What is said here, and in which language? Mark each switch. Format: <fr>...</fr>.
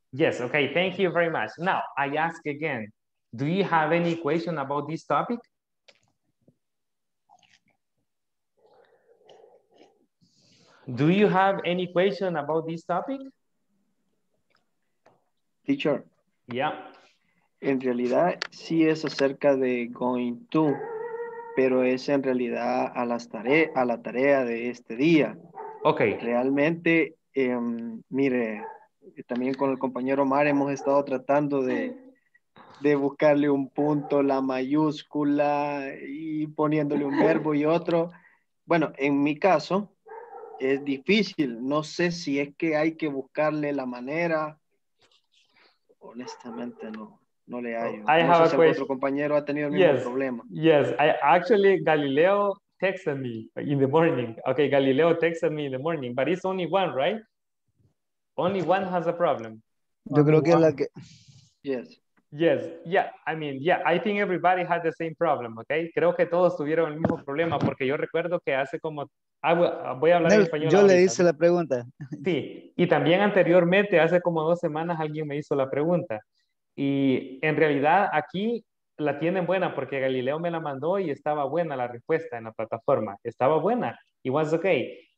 <en>Yes, okay, thank you very much. Now, I ask again, do you have any question about this topic? Do you have any question about this topic? Teacher. Yeah.</en> <es>En realidad, sí es acerca de going to, pero es en realidad a las a la tarea de este día.</es> <en>Okay.</en> <es>Realmente, mire, también con el compañero Omar hemos estado tratando de buscarle un punto, la mayúscula y poniéndole un verbo y otro. Bueno, en mi caso es difícil. No sé si es que hay que buscarle la manera. Honestamente, no le hallo.</es> <en>I</en> <es>no</es> <en>have</en> <es>sé</es> <en>a question.</en> <es>Otro compañero ha tenido el mismo problema.</es> <en>Yes, actually Galileo texted me in the morning. Okay, Galileo texted me in the morning, but it's only one, right? Only one has a problem.</en> <es>Yo creo que la que...</es> <en>Yes. Yes. Yeah. I mean, yeah. I think everybody had the same problem, okay?</en> <es>Creo que todos tuvieron el mismo problema porque yo recuerdo que hace como... voy a hablar en español. Yo le hice la pregunta. Sí. Y también anteriormente, hace como dos semanas, alguien me hizo la pregunta. Y en realidad aquí la tienen buena porque Galileo me la mandó y estaba buena la respuesta en la plataforma. Estaba buena.</es> <en>It was okay.</en>